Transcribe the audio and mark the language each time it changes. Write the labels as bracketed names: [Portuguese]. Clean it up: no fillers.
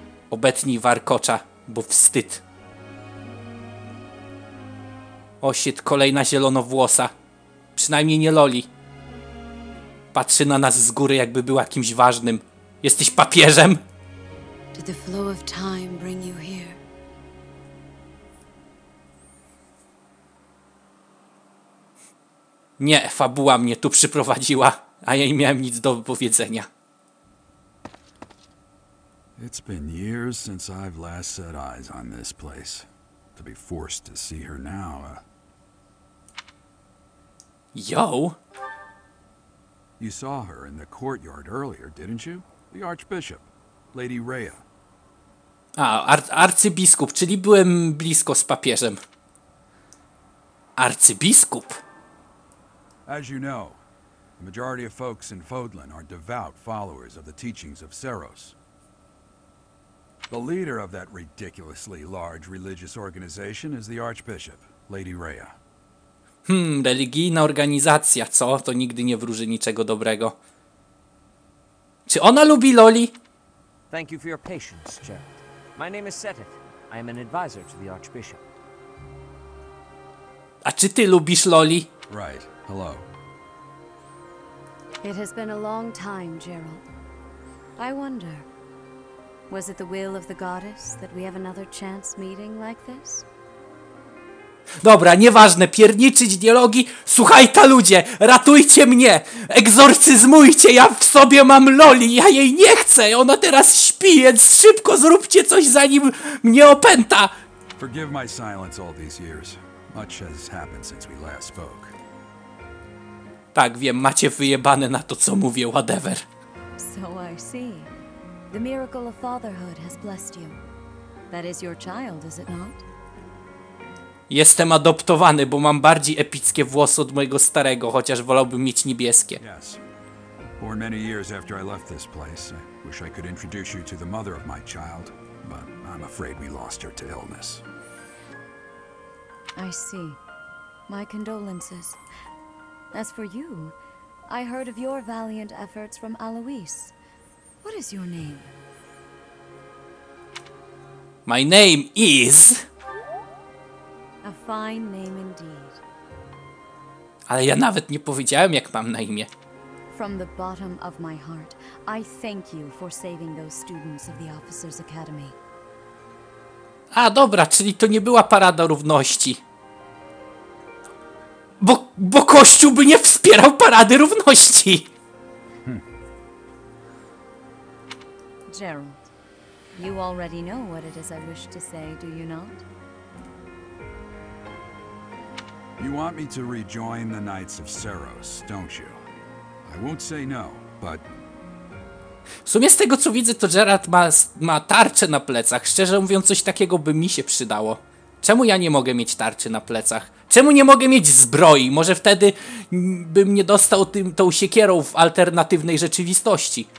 [Polish] Obetnij warkocza, bo wstyd. [English] O shit, [Polish] kolejna zielonowłosa. Przynajmniej nie Loli. Patrzy na nas z góry, jakby była kimś ważnym. Jesteś papieżem? [English] Did the flow of time bring you here? [Polish] Nie, fabuła mnie tu przyprowadziła, a ja nie miałem nic do powiedzenia. [English] It's been years since I've last set eyes on this place. To be forced to see her now. Yo. You saw her in the courtyard earlier, didn't you? The archbishop, Lady Rhea. [Polish] A, arcybiskup, czyli byłem blisko z papieżem. Arcybiskup. [English] As you know, the majority of folks in Fodlan are devout followers of the teachings of Seros. The leader of that ridiculously large religious organization is the Archbishop, Lady Rhea. [Polish] Religijna organizacja, co? To nigdy nie wróży niczego dobrego. Czy ona lubi Loli? [English] Thank you for your patience, Chair. My name is Setith. I am an advisor to the Archbishop. [Polish] A czy ty lubisz Loli? [English] Right. Hello. It has been a long time, Geralt. I wonder, was it the will of the goddess that we have another chance meeting like this? [Polish] Dobra, nieważne, pierniczyć dialogi. Słuchaj ta ludzie, ratujcie mnie! Egzorcyzmujcie, ja w sobie mam Loli, ja jej nie chcę! Ona teraz śpi, więc szybko zróbcie coś, zanim mnie opęta! [English] Forgive my silence all these years. Much has happened since we last spoke. [Polish] Tak, wiem, macie wyjebane na to, co mówię, whatever. [English] So I see. The miracle of fatherhood has blessed you. That is your child, is it not? [Polish] Jestem adoptowany, bo mam bardziej epickie włosy od mojego starego, chociaż wolałbym mieć niebieskie. [English] Yes. Born many years after I left this place, I wish I could introduce you to the mother of my child, but I'm afraid we lost her to illness. I see. My condolences. As for you, I heard of your valiant efforts from Alois. What is your name? My name is... A fine name indeed. [Polish] Ale ja nawet nie powiedziałem, jak mam na imię. [English] From the bottom of my heart, I thank you for saving those students of the Officers Academy. [Polish] A dobra, czyli to nie była parada równości. Bo Kościół by nie wspierał parady równości. [English] Gerald, you already know what it is I wish to say, do you not? You want me to rejoin the Knights of Seros, don't you? I won't say no, but... [Polish] W sumie z tego co widzę, to Gerard ma tarczę na plecach. Szczerze mówiąc, coś takiego by mi się przydało. Czemu ja nie mogę mieć tarczy na plecach? Czemu nie mogę mieć zbroi? Może wtedy bym nie dostał tą siekierą w alternatywnej rzeczywistości.